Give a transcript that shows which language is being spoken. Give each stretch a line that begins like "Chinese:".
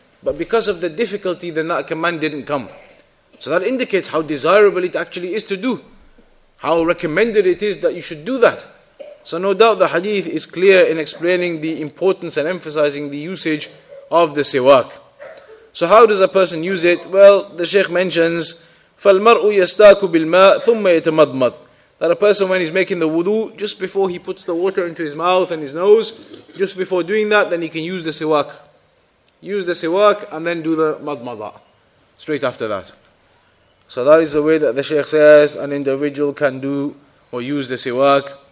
English: But because of the difficulty, then that command didn't come. So that indicates how desirable it actually is to do. How recommended it is that you should do that. So no doubt the hadith is clear in explaining the importance and emphasizing the usage of the siwak. So how does a person use it? Well, the Shaykh mentions,
Arabic: فَالْمَرْءُ يَسْتَاكُ بِالْمَاءِ ثُمَّ يَتَمَضْمَضْ.
English: That a person, when he's making the wudu, just before he puts the water into his mouth and his nose, just before doing that, then he can use the siwak. Use the siwak and then do the madmada straight after that. So that is the way that the Shaykh says an individual can do or use the siwak.